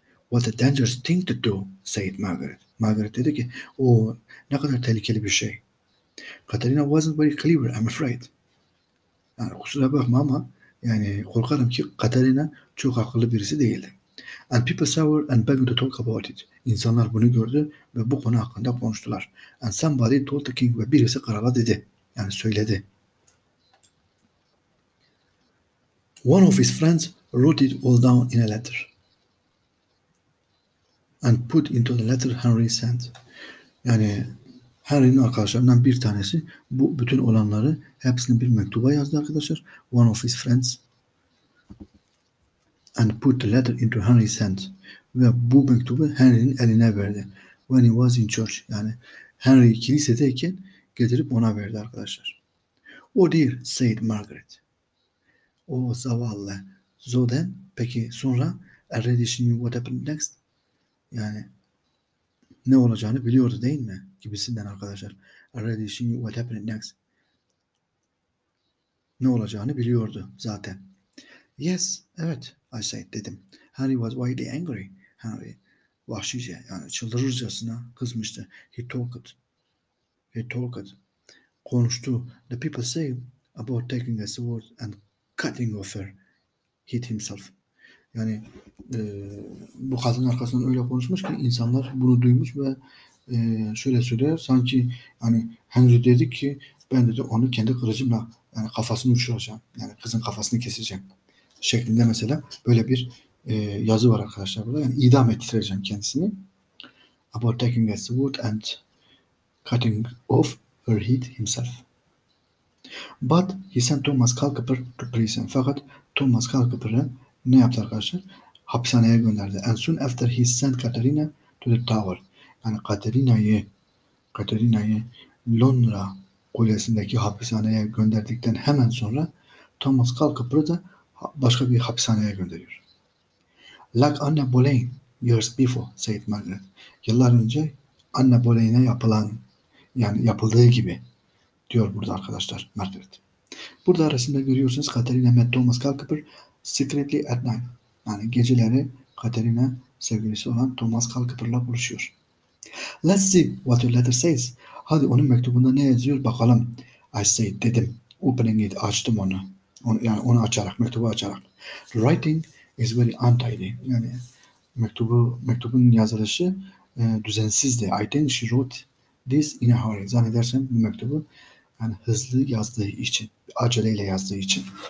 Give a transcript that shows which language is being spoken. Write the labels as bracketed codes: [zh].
[en] What a dangerous thing to do, said Margaret. [tr] Margaret dedi ki, o ne kadar tehlikeli bir şey. [en] Katerina wasn't very clever, I'm afraid. [tr] Yani kusura bakma ama yani korkarım ki Katerina çok akıllı birisi değildi. [en] And people saw her and began to talk about it. [tr] İnsanlar bunu gördü ve bu konu hakkında konuştular. [en] And somebody told the king [tr] ve birisi krala dedi. Yani söyledi. [en] One of his friends wrote it all down in a letter. And put into the letter Henry sent. [tr] Yani Henry'nin arkadaşlarından bir tanesi bu bütün olanları hepsini bir mektuba yazdı arkadaşlar. [en] One of his friends and put the letter into Henry's hand. [tr] Ve bu mektubu Henry'nin eline verdi. [en] When he was in church. [tr] Yani Henry kilisedeyken getirip ona verdi arkadaşlar. [en] Oh dear, said Margaret. [tr] Oh zavallı. [en] So then, [tr] peki sonra [en] already she knew what happened next. [tr] Yani ne olacağını biliyordu değil mi? Gibisinden arkadaşlar. [en] Already she knew what happened next. [tr] Ne olacağını biliyordu zaten. [en] Yes, [tr] evet, [en] I said, [tr] dedim. [en] Henry was wildly angry. [tr] Henry, vahşice, yani çıldırırcasına kızmıştı. [en] He talked. [tr] konuştu. [en] The people say about taking a sword and cutting off her, hit himself. [tr] Yani bu kadının arkasından öyle konuşmuş ki insanlar bunu duymuş ve şöyle söylüyor. Sanki hani Henry dedi ki ben dedi onu kendi kılıcımla yani kafasını uçuracağım. Yani kızın kafasını keseceğim. Şeklinde mesela böyle bir yazı var arkadaşlar burada. Yani idam ettireceğim kendisini. [en] About taking a sword and cutting off her head himself. But he sent Thomas Culpepper to prison. [tr] Fakat Thomas Culpepper'ı ne yaptı arkadaşlar? Hapishaneye gönderdi. [en] And soon after he sent Katerina to the tower. [tr] Yani Katerina'yı Londra kulesindeki hapishaneye gönderdikten hemen sonra Thomas Culpepper'ı da başka bir hapishaneye gönderiyor. [en] Like Anne Boleyn years before, said Margaret. [tr] Yıllar önce Anne Boleyn'e yapılan, yani yapıldığı gibi diyor burada arkadaşlar Margaret. Burada resimde görüyorsunuz [en] Katerina met Thomas Culpepper secretly at night. [tr] Yani geceleri Katerina sevgilisi olan Thomas Culpepper'la buluşuyor. [en] Let's see what your letter says. [tr] Hadi onun mektubunda ne yazıyor bakalım. [en] I said [tr] dedim. [en] Opening it, [tr] açtım onu. Yani onu açarak, mektubu açarak. [en] Writing is very untidy. [tr] Yani mektubun yazılışı düzensizdi. [en] I think she wrote this in a hurry. [tr] Zannedersem bu mektubu yani hızlı yazdığı için, aceleyle yazdığı için.